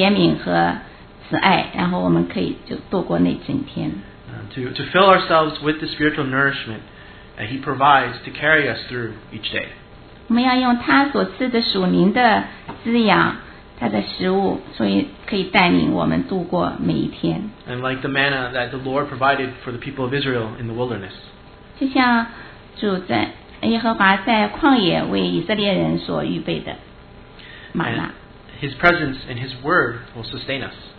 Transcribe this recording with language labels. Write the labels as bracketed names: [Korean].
[Chinese] 我们每天早上都需要来收取这份怜悯和恩典。慈爱, 然后我们可以就度过那整天。 [English] To fill ourselves with the spiritual nourishment that He provides to carry us through each day. [Chinese] 我们要用他所赐的属灵的滋养, 他的食物, 所以可以带领我们度过每一天。 [English] And like the manna that the Lord provided for the people of Israel in the wilderness. [Chinese] 就像主在耶和华在旷野为以色列人所预备的玛纳。 [English] His presence and His word will sustain us.